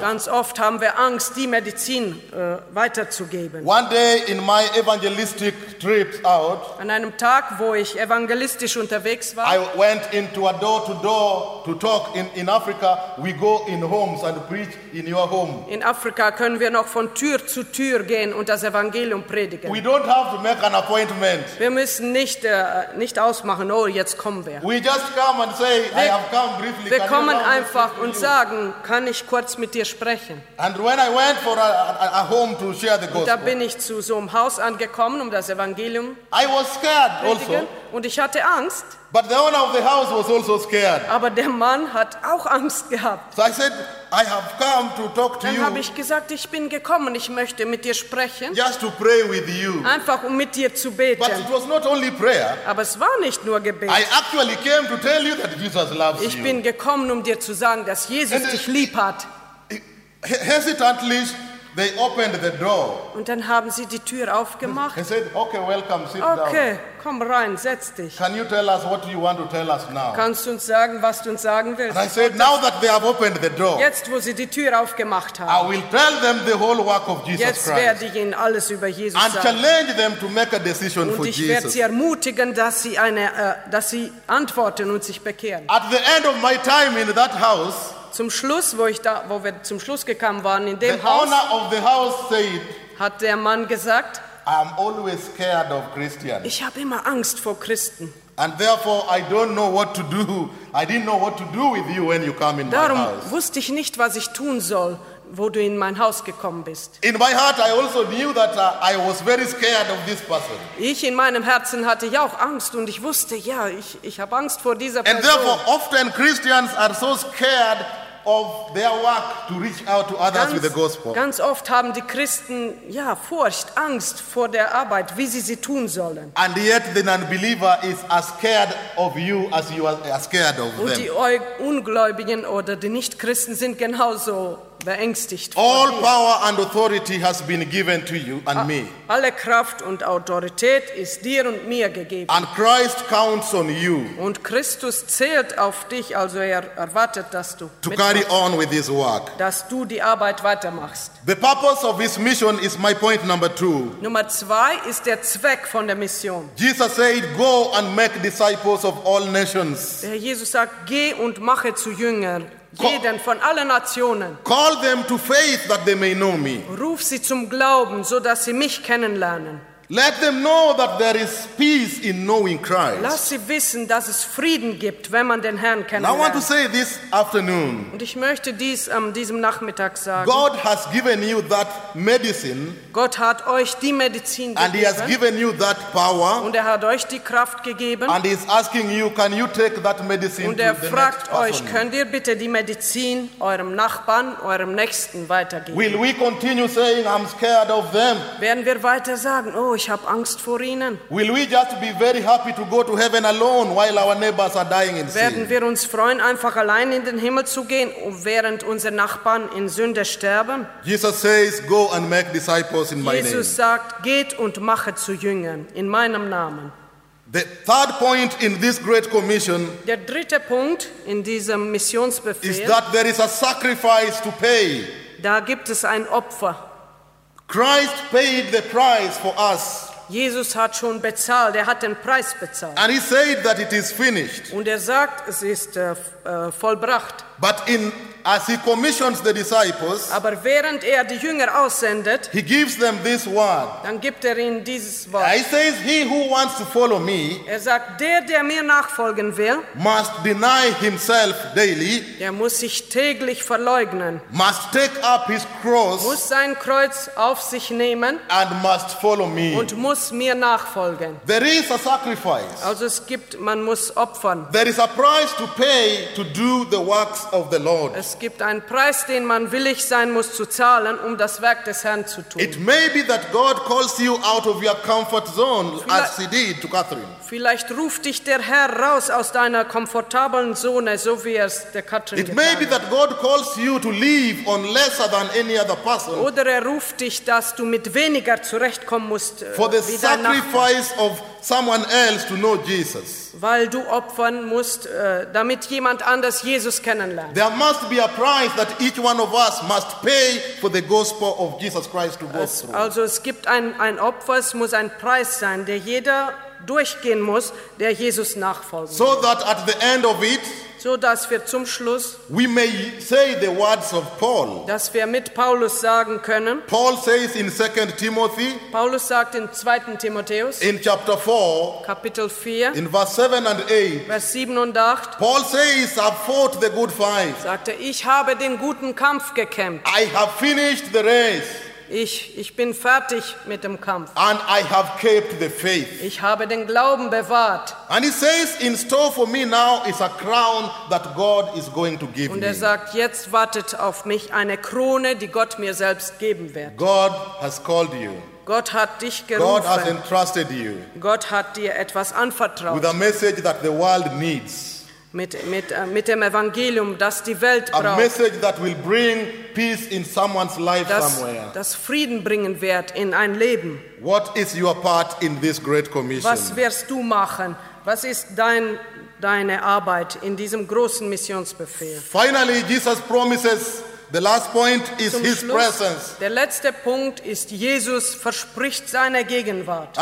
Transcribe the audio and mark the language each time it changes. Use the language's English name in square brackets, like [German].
[German] Ganz oft haben wir Angst, die Medizin weiterzugeben. [English] One day in my evangelistic trips out, [German] an einem Tag, wo ich evangelistisch unterwegs war, [English] I went into a door-to-door to talk. In Africa, we go in homes and preach in your home. [German] In Afrika können wir noch von Tür zu Tür gehen und das Evangelium predigen. [English] We don't have to make an appointment. [German] Wir müssen nicht ausmachen, oh, jetzt kommen wir. [English] We just come and say, I have come briefly. [German] Wir kommen einfach und sagen, kann ich kurz mit dir sprechen? [English] And when I went for a home to share the gospel, [German] da bin ich zu so einem Haus angekommen, um das Evangelium [English] I was scared also. [German] Und ich hatte Angst. [English] But the owner of the house was also scared. [German] Aber der Mann hat auch Angst gehabt. [English] So I said, I have come to talk to [German] Dann [English] you. [German] Dann habe ich gesagt, ich bin gekommen, ich möchte mit dir sprechen. [English] Just to pray with you. [German] Einfach um mit dir zu beten. [English] But it was not only prayer. [German] Aber es war nicht nur Gebet. [English] I actually came to tell you that Jesus loves you. [German] Ich bin gekommen, um dir zu sagen, dass Jesus dich lieb hat. [English] Hesitantly, they opened the door. [German] Und dann haben sie die Tür aufgemacht. [English] He said, okay, welcome, sit okay, down. [German] Okay, komm rein, setz dich. [English] Can you tell us what you want to tell us now? [German] Kannst du uns sagen, was du uns sagen willst? [English] And I said, now that they have opened the door. [German] Jetzt, wo sie die Tür aufgemacht haben. [English] I will tell them the whole work of Jesus [German] jetzt [English] Christ. [German] Jetzt werde ich ihnen alles über Jesus [English] and [German] sagen. [English] And challenge them to make a decision for Jesus. [German] Und ich werde sie ermutigen, dass sie antworten und sich bekehren. [English] At the end of my time in that house, [German] zum Schluss, wo wir zum Schluss gekommen waren, in dem [English] the [German] Haus, [English] owner of the house said, [German] hat der Mann gesagt, [English] I am always scared of Christians. [German] Ich habe immer Angst vor Christen. [English] And therefore I don't know what to do. I didn't know what to do with you when you come in [German] Darum [English] my house. [German] Darum wusste ich nicht, was ich tun soll, wo du in mein Haus gekommen bist. [English] In my heart I also knew that I was very scared of this person. [German] Ich in meinem Herzen hatte ja auch Angst und ich wusste, ja, ich habe Angst vor dieser [English] Person. And therefore often Christians are so scared of their work to reach out to others with the gospel. [German] Ganz oft haben die Christen ja Furcht, Angst vor der Arbeit, wie sie sie tun sollen. [English] And yet the non-believer is as scared of you as you are scared of [German] them. Und die Ungläubigen oder die Nichtchristen sind genauso beängstigt. [English] All power and authority has been given to you and me. [German] Alle Kraft und Autorität ist dir und mir gegeben. [English] And Christ counts on you. [German] Und Christus zählt auf dich, also erwartet, dass du [English] to carry on with his work. [German] Dass du die Arbeit weitermachst. [English] The purpose of his mission is my point number two. [German] Nummer zwei ist der Zweck von der Mission. [English] Jesus said, "Go and make disciples of all nations." [German] Der Jesus sagt, geh und mache zu Jüngern. Jeden von allen Nationen. [English] Call them to faith that they may know me. [German] Ruf sie zum Glauben, so dass sie mich kennenlernen. [English] Let them know that there is peace in knowing Christ. [German] Lass sie wissen, dass es Frieden gibt, wenn man den Herrn kennenlernt. [English] I want to say this afternoon. [German] Und ich möchte dies an diesem Nachmittag sagen. [English] God has given you that medicine. [German] Gott hat euch die Medizin gegeben. [English] And he has given you that power. [German] Und hat euch die Kraft gegeben. [English] And he is asking you, can you take that medicine to the next person? [German] Und fragt euch, könnt ihr bitte die Medizin eurem Nachbarn, eurem Nächsten weitergeben? [English] Will we continue saying, I'm scared of them? [German] Werden wir weiter sagen, oh, ich habe Angst vor ihnen? [English] Will we just be very happy to go to heaven alone while our neighbors are dying in sin? [German] Werden wir uns freuen, einfach allein in den Himmel zu gehen, während unsere Nachbarn in Sünde sterben? [English] Jesus says, go and make disciples in my name. [German] Jesus sagt, geht und mache zu Jüngern in meinem Namen. [English] The third point in this great commission. [German] Der dritte Punkt in diesem Missionsbefehl [English] is that there is a sacrifice to pay. [German] Da gibt es ein Opfer. [English] Christ paid the price for us. [German] Jesus hat schon bezahlt, hat den Preis bezahlt. [English] And he said that it is finished. [German] Und sagt, es ist vollbracht. [English] But in as he commissions the disciples, [German] aber während die Jünger aussendet, [English] he gives them this word. [German] Dann gibt ihnen dieses Wort. [English] He says, he who wants to follow me, [German] sagt, der mir nachfolgen will, [English] must deny himself daily. [German] Der muss sich täglich verleugnen. [English] Must take up his cross. [German] Muss sein Kreuz auf sich nehmen. [English] And must follow me. [German] Und muss mir nachfolgen. [English] There is a sacrifice. [German] Also es gibt, man muss opfern. [English] There is a price to pay to do the works of the Lord. [German] Es gibt einen Preis, den man willig sein muss zu zahlen, das Werk des Herrn zu tun. [English] It may be that God calls you out of your comfort zone, as he did to Catherine. [German] Vielleicht ruft dich der Herr raus aus deiner komfortablen Zone, so wie es der Catherine. [English] It may be that God calls you to live on lesser than any other person. [German] Oder ruft dich, dass du mit weniger zurechtkommen musst. [English] For the sacrifice of someone else to know Jesus. [German] Weil du opfern musst, damit jemand anders Jesus kennenlernt. [English] There must be a price that each one of us must pay for the gospel of Jesus Christ to go through. [German] Also es gibt ein Opfer, es muss ein Preis sein, der jeder durchgehen muss, der Jesus nachfolgen. [English] So that at the end of it, [German] so dass wir zum Schluss, [English] we may say the words of Paul, [German] dass wir mit Paulus sagen können. [English] Paul says in 2 Timothy, [German] Paulus sagt in 2. Timotheus, [English] in chapter 4, [German] Kapitel 4, [English] in verse 7 and 8, [German] Vers 7 und 8, [English] Paul says, I've fought the good fight. [German] Sagte, ich habe den guten Kampf gekämpft. [English] I have finished the race. [German] Ich bin fertig mit dem Kampf. [English] And I have kept the faith. [German] Ich habe den Glauben bewahrt. [English] And he says, in store for me now is a crown that God is going to give me. [German] Und sagt, jetzt wartet auf mich eine Krone, die Gott mir selbst geben wird. [English] God has called you. [German] Gott hat dich gerufen. [English] God has entrusted you. [German] Gott hat dir etwas anvertraut. [English] With a message that the world needs. [German] Mit dem Evangelium, das die Welt braucht. [English] A message that will bring peace in someone's life somewhere. [German] Das Frieden bringen wird in ein Leben. [English] What is your part in this great commission? [German] Was wirst du machen? Was ist deine Arbeit in diesem großen Missionsbefehl? [English] Finally, Jesus promises. The last point is his presence. [German] Der letzte Punkt ist, Jesus verspricht seine Gegenwart.